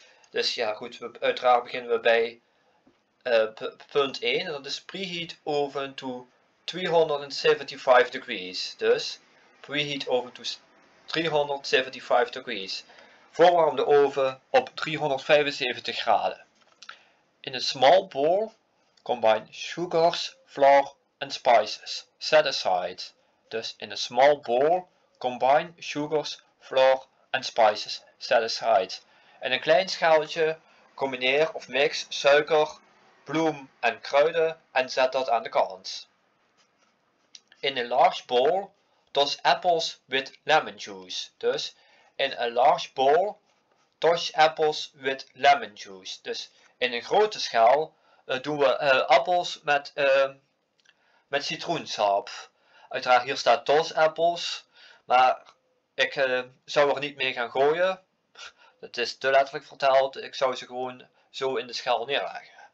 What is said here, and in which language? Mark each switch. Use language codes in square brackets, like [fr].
[nl] Dus ja goed, uiteraard beginnen we bij punt 1. En dat is [en] preheat oven to 375 degrees. [nl] Dus [en] preheat oven to 375 degrees. [nl] Voorwarm de oven op 375 graden. [en] In a small bowl combine sugars, flour, and spices. Set aside. [nl] Dus [en] in a small bowl combine sugars, flour, and spices. Set aside. [nl] In een klein schaaltje combineer of mix suiker, bloem en kruiden en zet dat aan de kant. [en] In a large bowl toss apples with lemon juice. [nl] Dus [en] in a large bowl toss apples with lemon juice. [nl] Dus in een grote schaal doen we appels met met citroensap. Uiteraard hier staat [en] toss apples, [nl] maar ik zou er niet mee gaan gooien. Dat is te letterlijk vertaald. Ik zou ze gewoon zo in de schaal neerleggen.